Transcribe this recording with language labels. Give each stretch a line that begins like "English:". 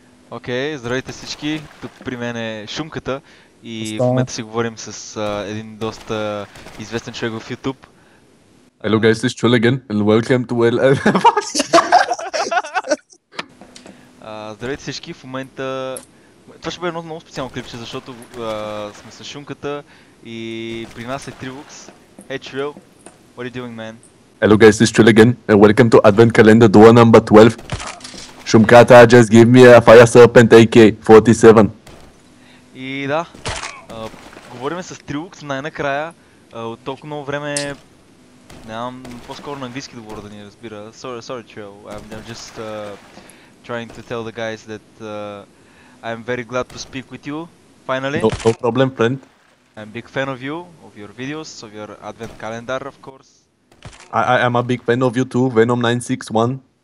Bulgarian: Окей, здравейте всички, тук при мен е Шумката и в момента си говорим с един доста известен човек в YouTube.
English: Hello guys, it's Trill again and welcome to LL.
Bulgarian: Здравейте всички, в момента... Това ще бъде едно много специално клипче, защото сме с Шумката и при нас е Трилокс.
English: Hey Trill, what are you doing, man? Hello guys, it's Trill again and welcome to Advent Calendar door number 12. Шумката, just give me a fire serpent AK-47.
Bulgarian: И да, говорим с Трилокс най-накрая, от толкова много време нямам по-скоро на английски да говоря да ни разбира.
English: Sorry Trill, I'm just trying to tell the guys that I'm very glad to speak with you, finally. No problem, friend. I'm a big fan of you, of your videos, of your advent calendar, of course. I am a big fan of you too, Venom961.